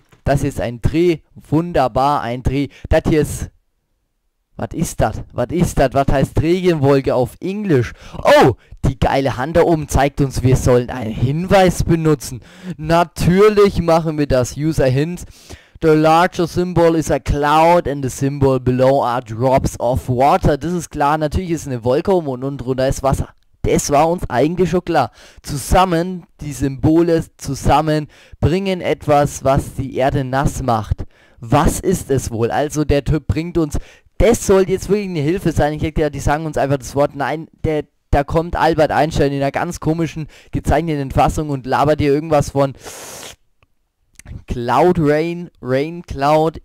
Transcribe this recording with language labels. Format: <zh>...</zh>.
<de>Das ist ein Dreh. Wunderbar, ein Dreh. Das hier ist... Was ist das? Was heißt Regenwolke auf Englisch? Oh, die geile Hand da oben zeigt uns, wir sollen einen Hinweis benutzen. Natürlich machen wir das.</de> <en>User Hint. The larger symbol is a cloud and the symbol below are drops of water.</en> <de>Das ist klar. Natürlich ist eine Wolke oben und unten drunter ist Wasser. Das war uns eigentlich schon klar. Zusammen, die Symbole zusammen, bringen etwas, was die Erde nass macht. Was ist es wohl? Also der Typ bringt uns, das soll jetzt wirklich eine Hilfe sein. Ich denke, die sagen uns einfach das Wort. Nein, da kommt Albert Einstein in einer ganz komischen, gezeichneten Fassung und labert hier irgendwas von</de> <en>Cloud Rain, Rain Cloud.</en>